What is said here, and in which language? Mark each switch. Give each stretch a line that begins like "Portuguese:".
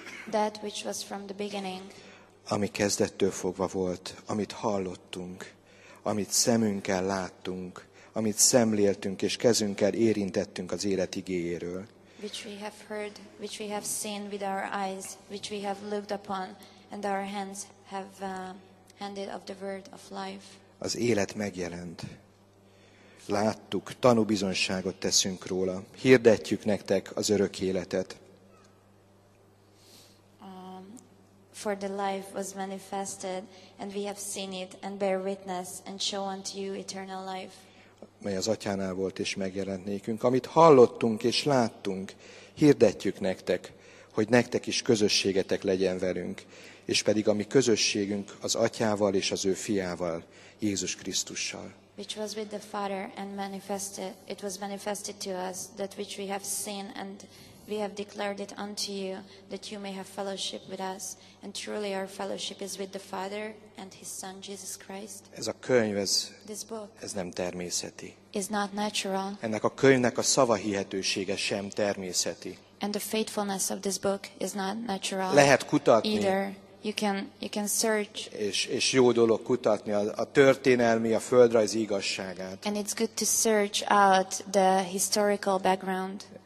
English: That which was from the beginning.
Hungarian: Ami kezdettől fogva volt, amit hallottunk, amit szemünkkel láttunk, amit szemléltünk és kezünkkel érintettünk az élet igéjéről.
English: Which we have heard, which we have seen with our eyes, which we have looked upon, and our hands have handed of the word of life.
Hungarian: Az élet megjelent. Láttuk, tanúbizonságot teszünk róla. Hirdetjük nektek az örök életet.
English: For the life was manifested, and we have seen it, and bear witness, and show unto you eternal life.
Hungarian: Mely az atyánál volt, és megjelent nékünk. Amit hallottunk, és láttunk, hirdetjük nektek, hogy nektek is közösségetek legyen velünk, és pedig a mi közösségünk az atyával és az ő fiával, Jézus Krisztussal.
English: Which was with the Father and manifested, it was manifested to us, that which we have seen and We have declared it unto you that you may have fellowship with us, and truly our fellowship is with the Father and his Son Jesus Christ.
Hungarian: Ez a könyv, ez,
English: this book,
Hungarian: ez nem természeti.
English: Is not natural.
Hungarian: Ennek a könyvnek a szava hihetősége sem természeti.
English: And the faithfulness of this book is not natural.
Hungarian: Lehet kutatni.
English: Either. You can search.
Hungarian: És jó dolog kutatni a történelmi, a földrajzi igazságát.
English: And it's good to search out the historical background.